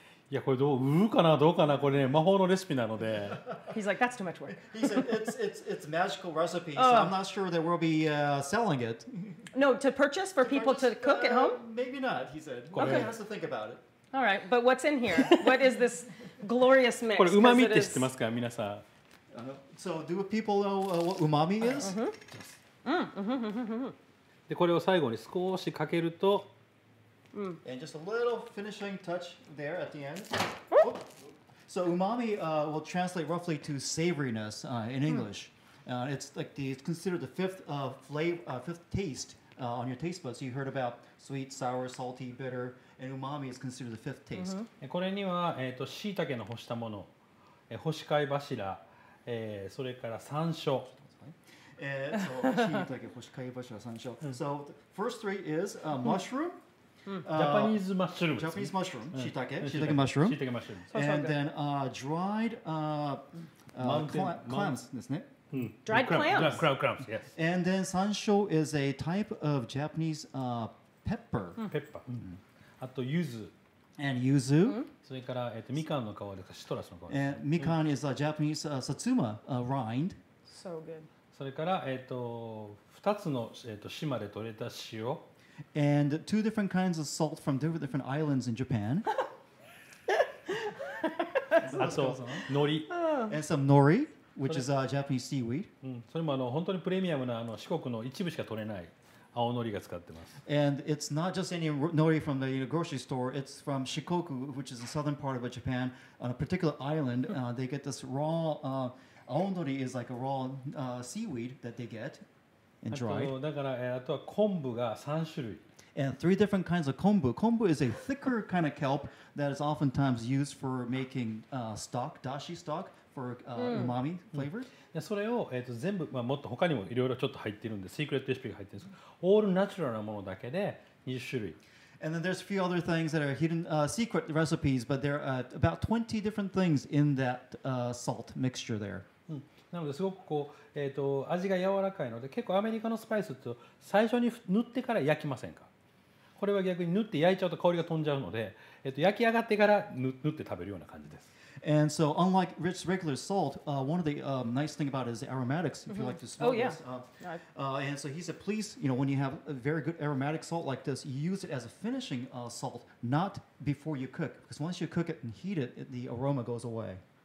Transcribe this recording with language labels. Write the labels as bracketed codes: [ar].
[ja] いやこれどう売るかなどうかなこれね魔法のレシピなので。 [en] He's like that's too much work. He said it's magical recipe. So I'm not sure that we'll be selling it. No, to purchase for people to cook at home. Maybe not, he said. Okay, has to think about it. All right, but what's in here? What is this glorious mix? [ja] これ旨味って知ってますか皆さん。 [en] So do people know what umami is? [ja] でこれを最後に少しかけると。 [en] And just a little finishing touch there at the end. So umami will translate roughly to savoriness in English. It's considered the fifth taste on your taste buds. So you heard about sweet, sour, salty, bitter, and umami is considered the fifth taste. [ja] これには椎茸の干したもの、干し貝柱、それから山椒。椎茸、干し貝柱、山椒。 [en] So the first three is mushroom. Japanese mushroom. Japanese mushroom. Shiitake mushroom. Shiitake mushroom. And then dried clams. Dried clams. Clams, yes. And then sansho is a type of Japanese pepper. Pepper. あと yuzu. And yuzu. [ja] それから、みかんの皮とかシトラスの皮。 [en] And mikan is a Japanese satsuma rind. So good. [ja] それから、2つの、島で取れた塩。 [en] And two different kinds of salt from different islands in Japan. And some nori, which is Japanese seaweed. [ja] それも本当にプレミアムな四国の一部しか取れない青のりが使ってます。 [en] And it's not just any nori from the grocery store. It's from Shikoku, which is the southern part of Japan, on a particular island. They get this raw, 青のり is like a raw seaweed that they get. And dried. [ja] だから、あとは昆布が3種類。 [en] And three different kinds of kombu. Kombu is a thicker kind of kelp that is oftentimes used for making stock, dashi stock for umami flavor. [ja] それを、全部、もっと他にもいろいろちょっと入っているんで、シークレットレシピが入っているんですけど、オールナチュラルなものだけで20種類。 [en] And then there's a few other things that are hidden secret recipes, but there are about 20 different things in that salt mixture there. [ja] なのですごくこう、味が柔らかいので、結構アメリカのスパイスって最初に塗ってから焼きませんか。これは逆に塗って焼いちゃうと香りが飛んじゃうので、焼き上がってから塗って食べるような感じです。 [en] And so unlike rich regular salt, one of the nice thing about it is the aromatics, if you like to smell this. And so he said, please, you know, when you have a very good aromatic salt like this, you use it as a finishing salt, not before you cook. Because once you cook it and heat it, the aroma goes away.